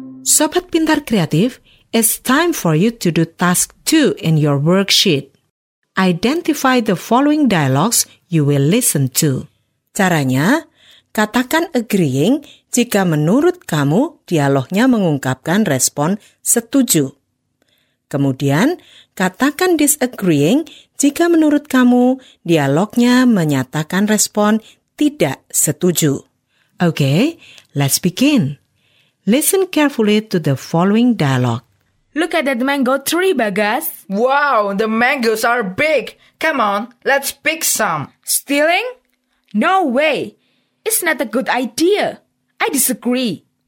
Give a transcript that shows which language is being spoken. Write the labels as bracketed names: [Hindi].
[Indonesian] Sobat pintar kreatif, [English] it's time for you to do task 2 in your worksheet. Identify the following dialogues you will listen to. [Indonesian] Caranya, katakan agreeing jika menurut kamu dialognya mengungkapkan respon setuju. Kemudian, katakan disagreeing jika menurut kamu dialognya menyatakan respon tidak setuju. [English] Okay, let's begin. Listen carefully to the following dialogue. Look at that mango tree, Bagas. Wow, the mangoes are big. Come on, let's pick some. Stealing? No way. It's not a good idea. I disagree.